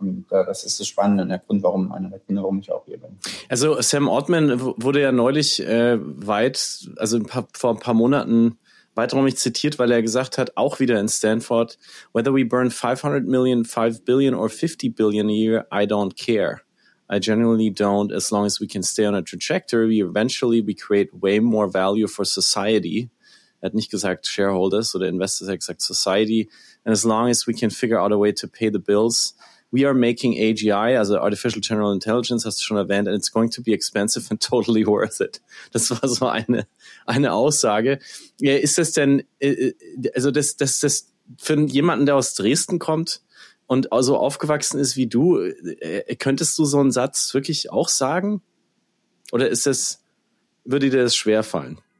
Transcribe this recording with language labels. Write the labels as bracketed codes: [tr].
[de] Und das ist das Spannende und der Grund, warum ich auch hier bin. Also Sam Altman wurde ja neulich vor ein paar Monaten weiträumig zitiert, weil er gesagt hat, auch wieder in Stanford, [en] whether we burn 500 million, 5 billion or 50 billion a year, I don't care. I generally don't, as long as we can stay on a trajectory, we eventually create way more value for society. [de] Er hat nicht gesagt shareholders oder investors, er hat gesagt society. [en] And as long as we can figure out a way to pay the bills, we are making AGI, also Artificial General Intelligence, [de] hast du schon erwähnt, [en] and it's going to be expensive and totally worth it. [de] Das war so eine Aussage. Ja, ist das denn, also das für jemanden, der aus Dresden kommt, und also aufgewachsen ist wie du, könntest du so einen Satz wirklich auch sagen? Oder würde dir das schwerfallen?